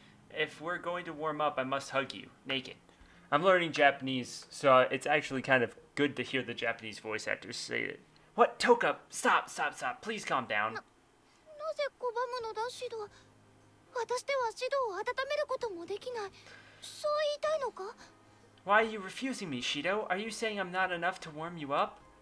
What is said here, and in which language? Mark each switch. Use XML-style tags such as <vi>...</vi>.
<en>If we're going to warm up, I must hug you. Naked. I'm learning Japanese, so it's actually kind of good to hear the Japanese voice actor say it. What? Toka! Stop. Please calm down.</en> <ja>なぜ拒むのだ、シド? 私ではシドを温めることもできない。そう言いたいのか?</ja> <en>Why are you refusing me, Shido? Are you saying I'm not enough to warm you up?</en>